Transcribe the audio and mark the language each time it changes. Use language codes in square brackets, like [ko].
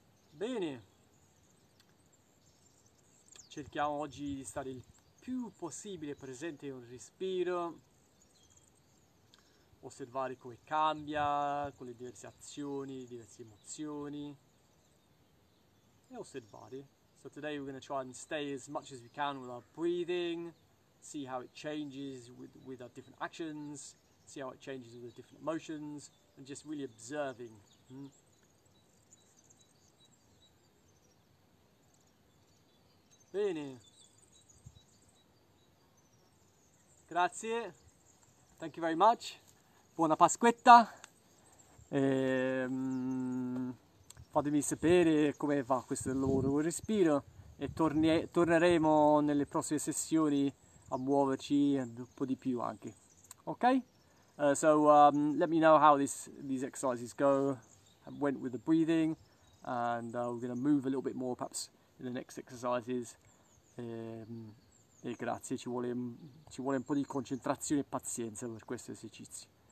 [it] Bene, cerchiamo oggi di stare il più possibile presente nel respiro, osservare come cambia con le diverse azioni, le diverse emozioni e osservare. [en] So today we're going to try and stay as much as we can with our breathing, see how it changes with our different actions, see how it changes with the different emotions and just really observing. [it] Bene. Grazie. [en] Thank you very much. [it] Buona Pasquetta. Fatemi sapere come va questo lavoro con il respiro e torneremo nelle prossime sessioni a muoverci un po' di più anche. Ok? [en] Let me know how these exercises go, went with the breathing, and we're going to move a little bit more perhaps in the next exercises. [it] E grazie, ci vuole un po' di concentrazione e pazienza per questo esercizio.